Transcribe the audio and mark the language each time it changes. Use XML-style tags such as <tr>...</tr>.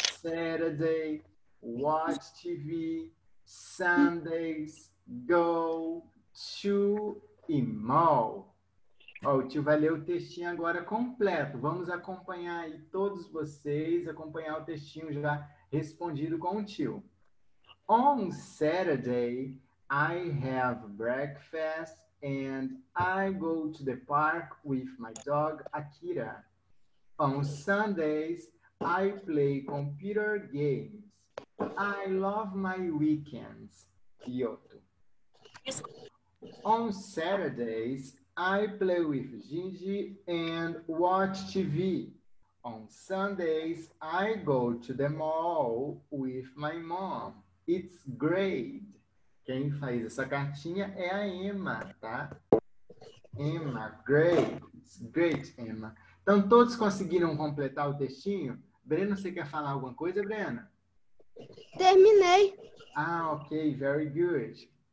<en>Saturday, watch TV, Sundays, go to e mall.</en> <pt>Ó, o tio vai ler o textinho agora completo. Vamos acompanhar aí todos vocês, acompanhar o textinho já respondido com o tio.</pt> <en>On Saturday, I have breakfast and I go to the park with my dog, Akira. On Sundays, I play computer games. I love my weekends, Kyoto. On Saturdays, I play with Gigi and watch TV. On Sundays, I go to the mall with my mom. It's great.</en> <pt>Quem faz essa cartinha é a Emma, tá? Emma,</pt> <en>great. It's great,</en> <pt>Emma. Então, todos conseguiram completar o textinho? Breno, você quer falar alguma coisa, Breno? Terminei.</pt> <en>Ah, ok. Very good.</en>